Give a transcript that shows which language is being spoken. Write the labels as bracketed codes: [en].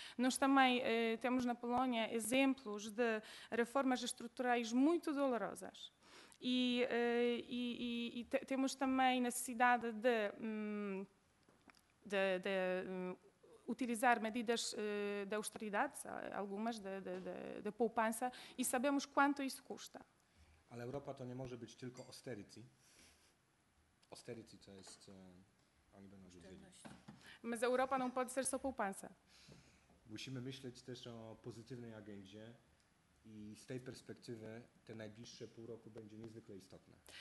[pt] Nós também temos na Polónia exemplos de reformas estruturais muito dolorosas. E temos também necessidade de utilizar medidas de austeridade, algumas de poupança, e sabemos quanto isso custa. [pl] Ale Europa to nie może być tylko austerity. Austerity to jest... oni będą wiedzieli. [pt] Mas Europa não pode ser só poupança. [pl] Musimy myśleć też o pozytywnej agendzie. I z tej perspektywy te najbliższe pół roku będzie niezwykle istotne.